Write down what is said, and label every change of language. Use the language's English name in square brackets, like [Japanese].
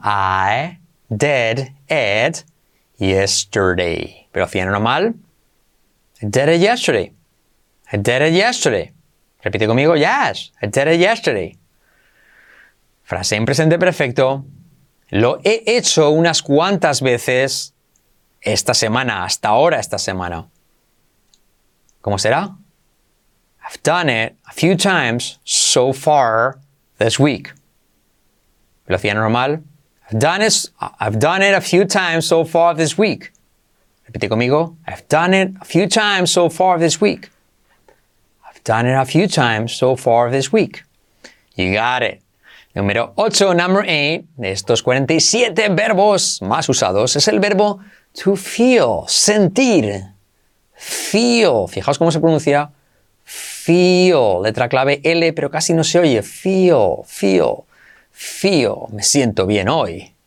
[English] I did it yesterday. [Spanish] Velocidad normal. [English] I did it yesterday. I did it yesterday. [Spanish] Repite conmigo. [English] Yes, I did it yesterday. [Spanish] Frase en presente perfecto. Lo he hecho unas cuantas veces esta semana, hasta ahora esta semana. ¿Cómo será? [English] I've done it a few times so far this week. [Spanish] Velocidad normal. [English] I've done it a few times so far this week. [Spanish] Repite conmigo. [English] I've done it a few times so far this week. Done it a few times so far this week. You got it. [Spanish] Número 8, number 8, de estos 47 verbos más usados, es el verbo to feel, sentir. Feel. Fijaos cómo se pronuncia. Feel. Letra clave L, pero casi no se oye. Feel, feel, feel. Me siento bien hoy.